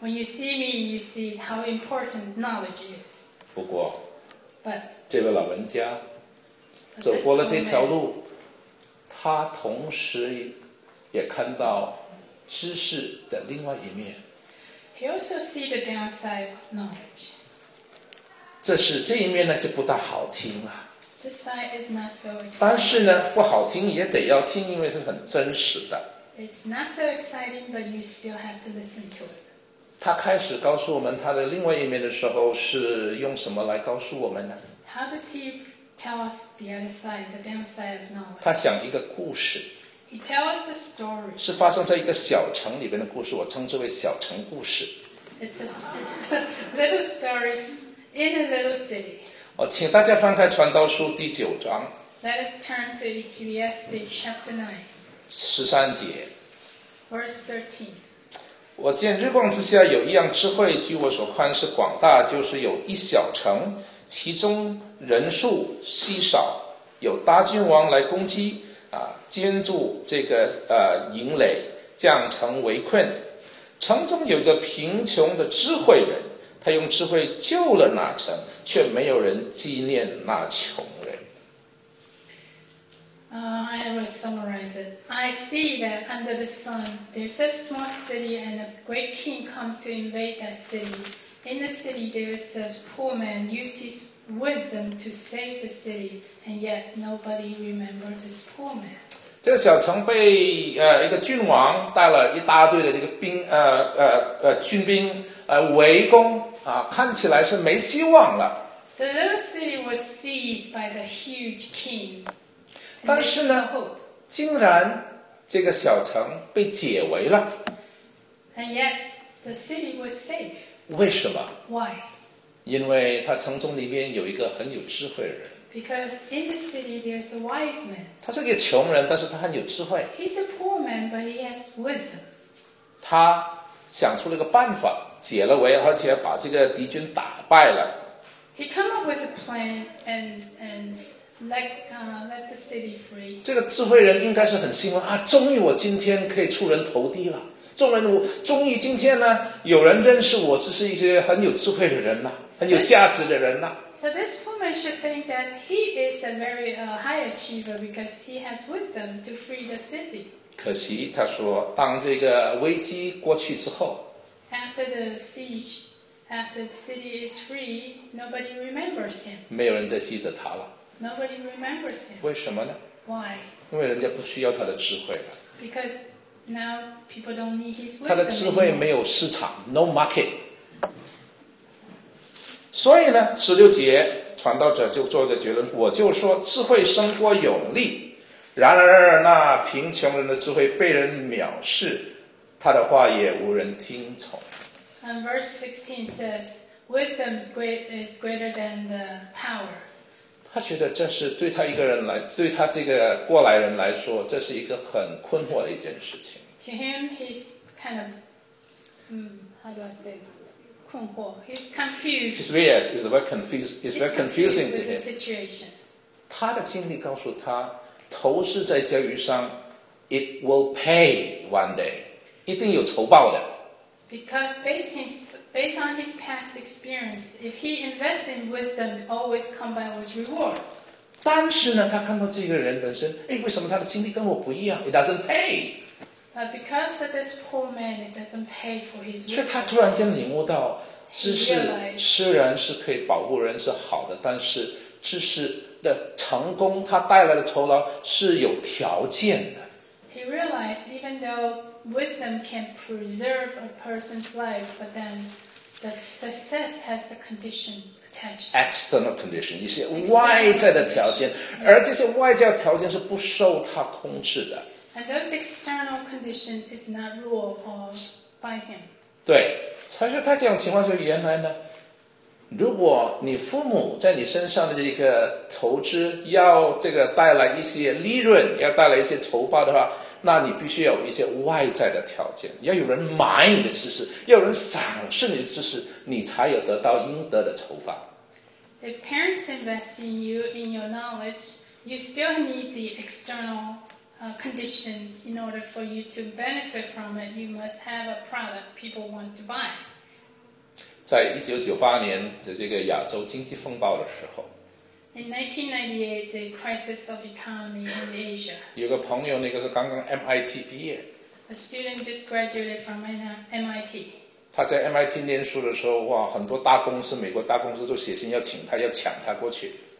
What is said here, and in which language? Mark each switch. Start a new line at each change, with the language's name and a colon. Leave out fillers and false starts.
English: When you see me, you see how important knowledge is.
Chinese: 不过
English: but,
Chinese: 这位老人家走过了这条路，他同时也看到知识的另外一面。
English: He also see the downside of knowledge.
Chinese: 这一面呢就不大好听了。
English: This side is not so exciting.
Chinese: 但是呢不好听也得要听，因为是很真实的。
English: It's not so exciting, but you still have to listen to it.
Chinese: 他开始告诉我们他的另外一面的时候，是用什么来告诉我们呢？
English: How does he tell us the other side, the downside of knowledge?
Chinese: 他讲一个故事。
English: He tells us a story.
Chinese: 是发生在一个小城里面的故事，我称之为小城故事。
English: It's a little stories in a little city.
Chinese: 我请大家翻开传道书第九章。
English: Let us turn to Ecclesiastes chapter
Chinese: 9. 十三节。
English: Verse 13.
Chinese: 我见日光之下有一样智慧，据我所看是广大，就是有一小城，其中人数稀少，有大君王来攻击监住这个营垒，将城围困。城中有个贫穷的智慧人，他用智慧救了那城，却没有人纪念那穷人。
English: I will summarize it. I see that under the sun, there's a small city and a great king come to invade that city. In the city, there is a poor man use his wisdom to save the city, and yet nobody remembers this poor man.
Chinese: 这个小城被一个君王带了一大队的这个军兵围攻看起来是没希望了。
English: The little city was seized by the huge king.
Chinese: 但是呢竟然这个小城被解围了。
English: And yet, the city was safe.
Chinese: 为什么？
English: Why?
Chinese: 因为他城中里面有一个很有智慧的人。
English: Because in the city there's a wise man.
Chinese: 他是个穷人，但是他很有智慧。
English: He's a poor man, but he has wisdom.
Chinese: 他想出了一个办法，解了围，而且把这个敌军打败了。
English: He came up with a plan and... Let the city free.
Chinese: 这个智慧人应该是很兴奋啊！终于我今天可以出人头地了，众人我终于今天呢，有人认识我是一些很有智慧的人呐、啊，很有价值的人呐、
English: 啊。So this poor man should think that he is a very high achiever because he has wisdom to free the city.
Chinese: 可惜他说，当这个危机过去之后
English: After the siege, after the city is free, nobody remembers him.
Chinese: 没有人再记得他了。
English: Nobody remembers him.
Chinese: 为什么呢？
English: Why?
Chinese: 因为人家不需要他的智慧了。
English: Because now people don't need his wisdom.
Chinese: 他的智慧没有市场，
English: no market.
Chinese: 所以呢，十六节传道者就做一个结论，我就说智慧胜过勇力，然而那贫穷人的智慧被人藐视，他的话也无人听从。
English: And verse 16 says, wisdom is greater than the power.
Chinese: 他觉得这是对他一个人来，对他这个过来人来说，这是一个很困惑的一件事情。
English: To him, he's kind of, how do I say this? He's confused. He's very, he's very confusing with the situation.
Chinese: 他的经历告诉他，投资在教育上 ，
English: it will pay one day，
Chinese: 一定有酬报的。
English: Because based on his past experience, if he invests in wisdom, always come by with reward.
Chinese: 但是呢，他看到这个人本身，哎，为什么他的经历跟我不一样 ？
English: It doesn't pay. But because of this poor man, it doesn't pay for his wisdom.
Chinese: 却他突然间领悟到，知识虽然是可以保护人是好的，但是知识的成功，他带来的酬劳是有条件的。
English: He realized even though wisdom can preserve a person's life, but then the success has a condition attached. External condition,
Chinese: 一些外在的条件，而这些外在条件是不受他控制的。
English: And those external conditions is not ruled by him.
Chinese: 对，才是他这样情况就原来呢，如果你父母在你身上的这个投资要这个带来一些利润，要带来一些酬报的话，那你必须要有一些外在的条件，要有人买你的知识，要有人赏识你的知识，你才有得到应得的酬报。
English: If parents invest in you in your knowledge, you still need the external. Condition in order for you to benefit from it, you must have a product people want to buy.
Chinese: 在1998年的这个亚洲经济风暴的时候
English: ，In 1998, the crisis of economy in Asia.
Chinese: 有个朋友，那个是刚刚 MIT 毕业
English: ，A student just graduated from MIT.
Chinese: 他在 MIT 念书的时候，哇，很多大公司，美国大公司都写信要请他，要抢他过去。